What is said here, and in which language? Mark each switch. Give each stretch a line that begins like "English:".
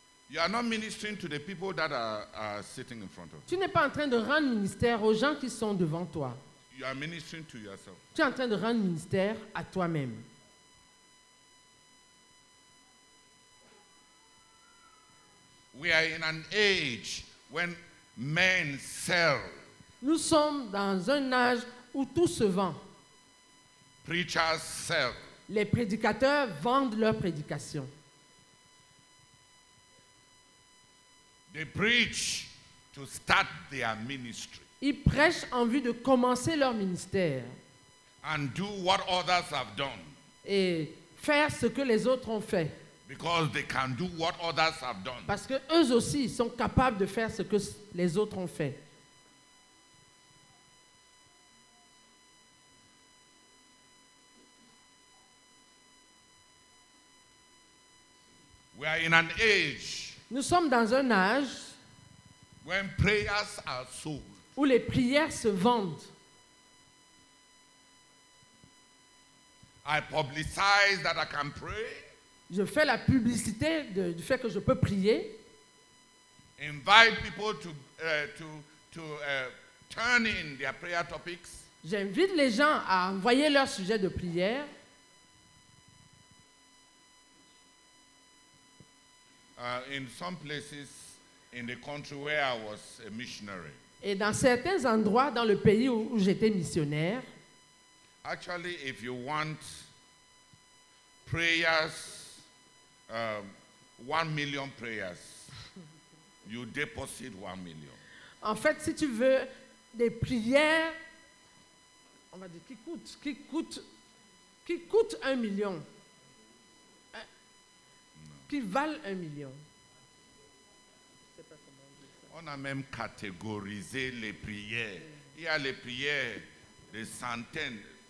English: You are not ministering to the people that are sitting in front of you.
French: Tu n'es pas en train de rendre ministère aux gens qui sont devant toi.
English: You are ministering to yourself.
French: Tu es en train de rendre ministère à toi-même.
English: We are in an age when men sell.
French: Nous sommes dans un âge où tout se vend.
English: Preachers sell.
French: Les prédicateurs vendent leurs prédications.
English: They preach to start their ministry.
French: Ils prêchent en vue de commencer leur ministère.
English: And do what others have done.
French: Et faire ce que les autres ont fait.
English: Because they can do what others have done.
French: Parce que eux aussi sont capables de faire ce que les autres ont fait.
English: We are in an age.
French: Nous sommes dans un âge
English: when prayers are sold.
French: Où les prières se vendent.
English: I publicize that I can pray.
French: Je fais la publicité du fait que je peux prier.
English: Invite people to turn in their prayer topics.
French: J'invite les gens à envoyer leurs sujets de prière.
English: In some places in the country where I was a missionary.
French: Et dans certains endroits dans le pays où j'étais missionnaire.
English: Actually, if you want prayers, 1 million prayers, you deposit 1 million.
French: En fait, si tu veux des prières, on va dire qui coûtent 1 million, no. Qui valent 1 million. On a même catégorisé les prières. Il y a les prières de centaines.